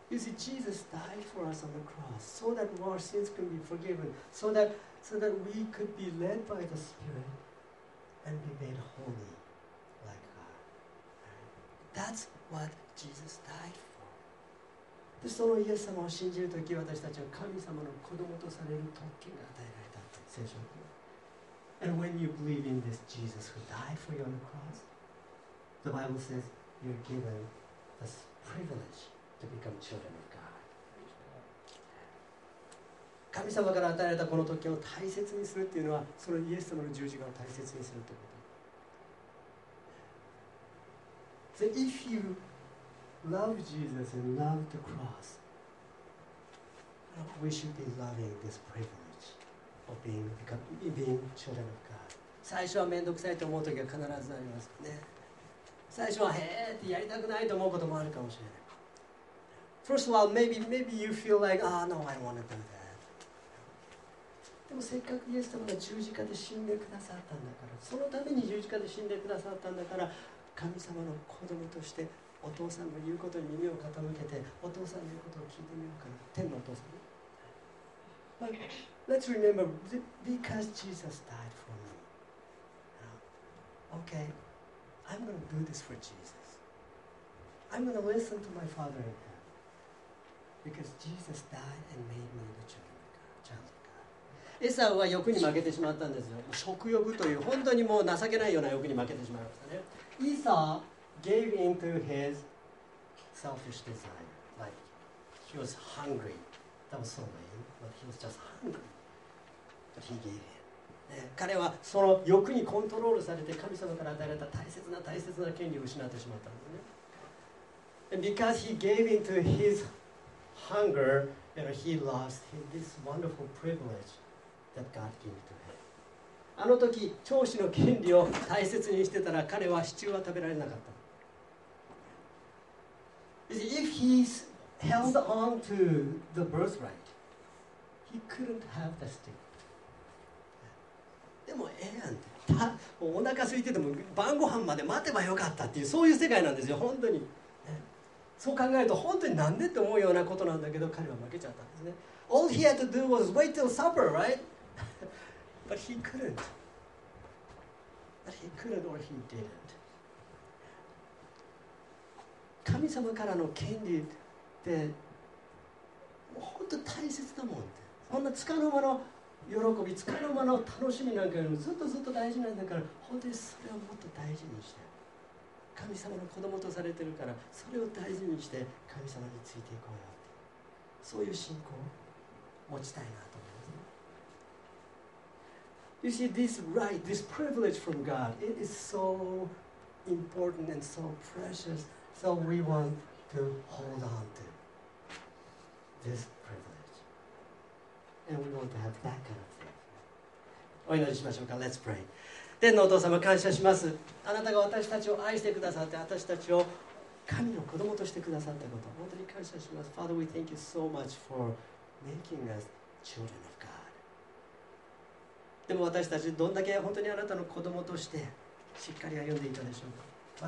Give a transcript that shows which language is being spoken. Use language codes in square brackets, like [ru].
[en] You see, Jesus died for us on the cross so that our sins could be forgiven, so that we could be led by the Spirit and be made holy like God. That's what Jesus died for. [ja] で、そのイエス様を信じるとき、私たちは神様の子供とされる特権が与えられたと聖書。 [en] And when you believe in this Jesus who died for you on the cross, the Bible says you're given this privilege to become children of God. [ja] 神様から与えられたこの特権を大切にするっていうのは、そのイエス様の十字架を大切にするってこと。 [en] So if you love Jesus and love the cross, we should be loving this privilege. Being children of God. [ja] 最初は面倒くさいと思うときは必ずありますね。最初はへーってやりたくないと思うこともあるかもしれない。 [en] First of all, maybe you feel like, ah, no, I don't want to do that. [ja] でもせっかくイエス様が十字架で死んでくださったんだから、そのために十字架で死んでくださったんだから、神様の子供としてお父さんの言うことに耳を傾けて、お父さんの言うことを聞いてみようかな。天のお父さん。 [en] Let's remember, because Jesus died for me. Okay, I'm going to do this for Jesus. I'm going to listen to my Father in heaven. Because Jesus died and made me the child of God. [ja] エサウは欲に負けてしまったんですよ。食欲という、本当にもう情けないような欲に負けてしまいましたね。 [en] エサウ gave into his selfish desire. Like, he was hungry. That was so lame, but he was just hungry. But he gave him. [ja] 彼はその欲にコントロールされて神様から与えられた大切な大切な権利を失ってしまったんですね。 [en] And because he gave into his hunger, you know, he lost this wonderful privilege that God gave to him. [ja] あの時、長子の権利を大切にしてたら彼はシチューは食べられなかった。 [en] If he'sheld on to the birthright, he couldn't have the stick. [ja] でもええやんって、お腹空いてても晩ご飯まで待てばよかったっていう、そういう世界なんですよ、本当に。そう考えると本当になんでって思うようなことなんだけど、彼は負けちゃったんですね。 [en] All he had to do was wait till supper, right? But he couldn't. But he couldn't or he didn't. [ja] 神様からの権利で、もう本当大切だもんって。そんな束の間の喜び、束の間の楽しみなんかよりもずっとずっと大事なんだから、本当にそれをもっと大事にして、神様の子供とされてるから、それを大事にして神様についていこうよって、そういう信仰を持ちたいなと思います。 [en] You see, this right, this privilege from God, it is so important and so precious, so we wantTo hold on to this privilege, and we want to have that kind of thing. [ja] お祈りしましょうか。 [en] Let's pray. [ja] 天のお父様、感謝します。あなたが私たちを愛してくださって、私たちを神の子供としてくださったこと、本当に感謝します。 [en] Father, we thank you so much for making us children of God. [ja] でも私たち、どんだけ本当にあなたの子供としてしっかり歩んでいたでしょうか。